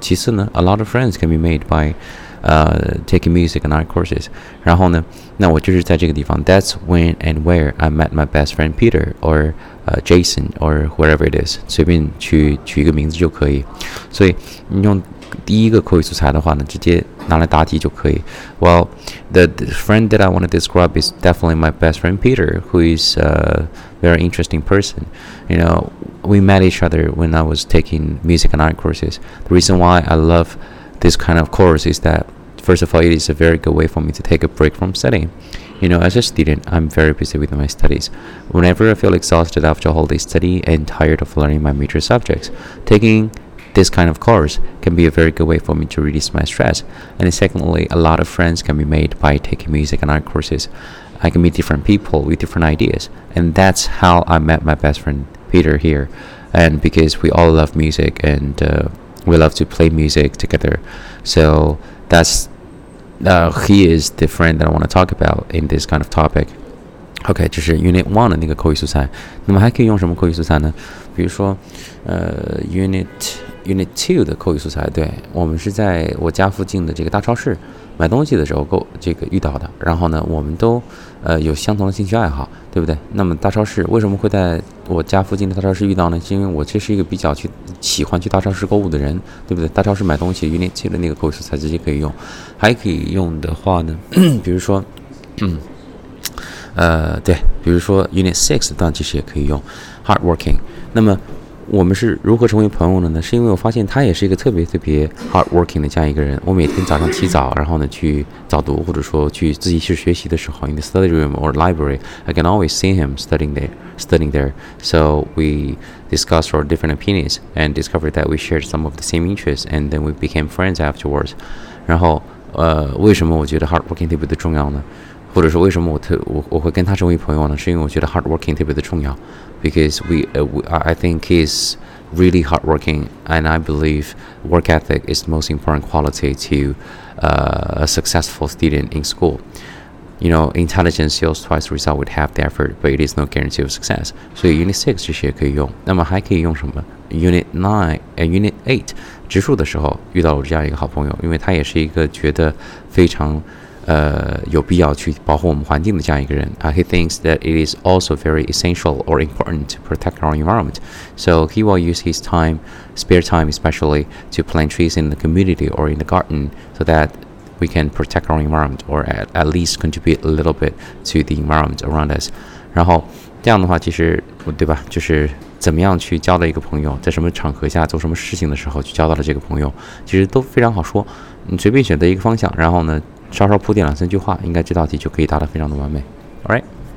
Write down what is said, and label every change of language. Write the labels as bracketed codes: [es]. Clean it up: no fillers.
[zh] 其次呢， [en] a lot of friends can be made by taking music and art courses. [zh] 然后呢，那我就是在这个地方。 [en] That's when and where I met my best friend Peter or Jason or whoever it is. [zh] 随便去取一个名字就可以。所以你用第一个口语素材的话呢，直接拿来答题就可以。 [en] Well, the friend that I want to describe is definitely my best friend Peter, who is a very interesting person. You know, we met each other when I was taking music and art courses. The reason why I love this kind of course is that, first of all, it is a very good way for me to take a break from studying. You know, as a student, I'm very busy with my studies. Whenever I feel exhausted after all day study and tired of learning my major subjects, takingThis kind of course can be a very good way for me to reduce my stress. And secondly, a lot of friends can be made by taking music and art courses. I can meet different people with different ideas. And that's how I met my best friend Peter here. And because we all love music and we love to play music together. So that's, he is the friend that I want to talk about in this kind of topic. [zh] Okay, 这是 Unit 1的那个口语素材。那么还可以用什么口语素材呢？比如说Unit 2的口语素材，对，我们是在我家附近的这个大超市买东西的时候遇到的。然后呢，我们都有相同的兴趣爱好，对不对？那么大超市为什么会在我家附近的大超市遇到呢？是因为我这是一个比较喜欢去大超市购物的人，对不对？大超市买东西 Unit 2的那个口语素材直接可以用。还可以用的话呢，比如说对，比如说 Unit 6的段其实也可以用 Hardworking。那么我们是如何成为朋友的呢？是因为我发现他也是一个特别特别 hardworking 的这样一个人。我每天早上起早，然后呢去早读，或者说去自习室学习的时候 ， [en] in the study room or library, I can always see him studying there. So we discussed our different opinions and discovered that we shared some of the same interests, and then we became friends afterwards. [zh] 然后为什么我觉得 hardworking 特别的重要呢？或者说为什么我会跟他成为朋友呢？是因为我觉得 hardworking 特别的重要。 [en] Because I think he's really hardworking, and I believe work ethic is the most important quality to a successful student in school. You know, intelligence yields twice the result with half the effort, but it is no guarantee of success. [zh] So Unit 6这些可以用。那么还可以用什么 ？Unit 9 and Unit 8植树的时候遇到了这样一个好朋友，因为他也是一个觉得非常有必要去保护我们环境的这样一个人。 [en] He thinks that it is also very essential or important to protect our environment. So he will use his time, spare time especially, to plant trees in the community or in the garden so that we can protect our environment or at least contribute a little bit to the environment around us. [zh] 然后这样的话其实对吧，就是怎么样去交到一个朋友，在什么场合下做什么事情的时候去交到了这个朋友，其实都非常好说。你随便选择一个方向，然后呢稍稍铺垫两三句话，应该这道题就可以答得非常的完美。 Alright